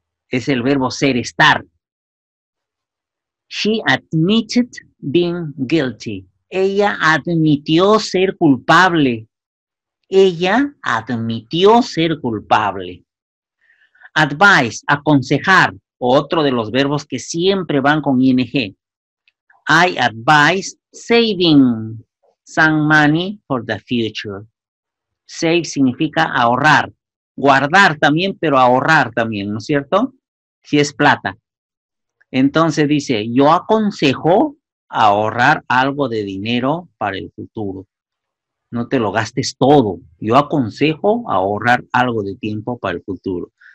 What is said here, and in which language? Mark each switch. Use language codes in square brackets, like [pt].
[es] Es el verbo ser, estar. [en] She admitted being guilty. [es] Ella admitió ser culpable. Ella admitió ser culpable. Advice, aconsejar. Otro de los verbos que siempre van con ing. [en] I advise saving some money for the future. [es] Save significa ahorrar. Guardar también, pero ahorrar también, ¿no es cierto? Si es plata. Entonces dice, yo aconsejo ahorrar algo de dinero para el futuro. No te lo gastes todo. Yo aconsejo ahorrar algo de tiempo para el futuro.